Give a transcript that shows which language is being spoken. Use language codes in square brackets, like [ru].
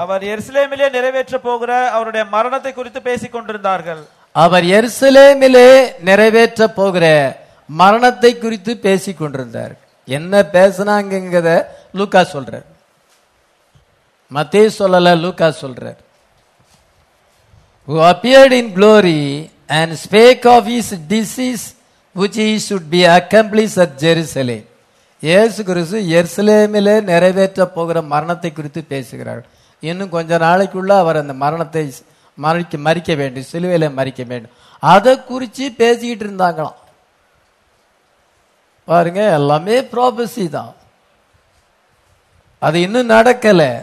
[ta] அவர் எருசலேமிலே நிறைவேற்ற போகிற அவருடைய மரணத்தை குறித்து பேசிக் கொண்டிருந்தார்கள். அவர் எருசலேமிலே நிறைவேற்ற போகிற மரணத்தை குறித்து பேசிக் கொண்டிருந்தார். என்ன பேசினாங்கிறத லூக்கா சொல்றார், மத்தேயு சொல்லல, லூக்கா சொல்றார். [en] Who appeared in glory and spake of his disease which he should be accomplished at Jerusalem. [ta] இயேசு கிறிஸ்து எருசலேமிலே நிறைவேற்ற போகிற மரணத்தை குறித்து பேசுகிறார். இன்னும் கொஞ்ச நாளைக்குள்ள அவர் அந்த மரணத்தை மறிக்க வேண்டும், சிலுவையில மறிக்க வேண்டும். அதை குறித்து பேசிக்கிட்டு இருந்தாங்களாம். பாருங்க, எல்லாமே ப்ராபசி தான், அது இன்னும் நடக்கல.